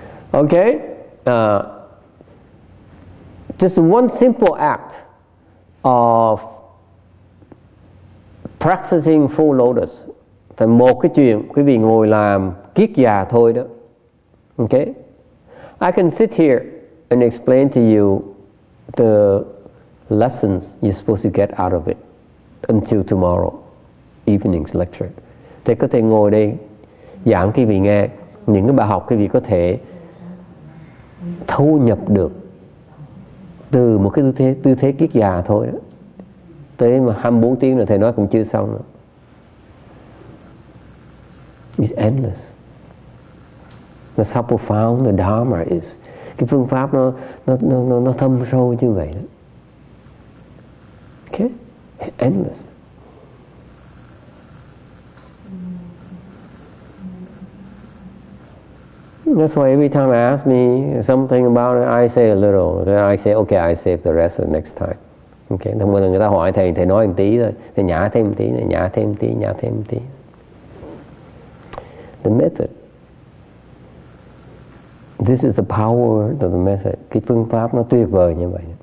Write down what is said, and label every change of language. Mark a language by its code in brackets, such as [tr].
[en] Okay, just one simple act of practicing full lotus. [vi] Thì một cái chuyện quý vị ngồi làm kiết già thôi đó. [en] Okay, I can sit here and explain to you the lessons you're supposed to get out of it until tomorrow evening's lecture. [vi] Thì có thể ngồi đây giảng quý vị nghe những cái bài học quý vị có thể thu nhập được từ một cái tư thế kiết già thôi đó. Tới mà 24 tiếng rồi thầy nói cũng chưa xong nữa. [en] It's endless. That's how profound the Dharma is. [vi] Cái phương pháp nó thâm sâu như vậy đó. [en] Okay? It's endless. That's why every time I ask me something about it, I say a little. Then I say, okay, I save the rest of the next time. [vi] Okay, thông thường người ta hỏi thầy nói một tí thôi, thầy nhả thêm một tí, nhả thêm một tí. [en] The method. This is the power of the method. [vi] Cái phương pháp nó tuyệt vời như vậy.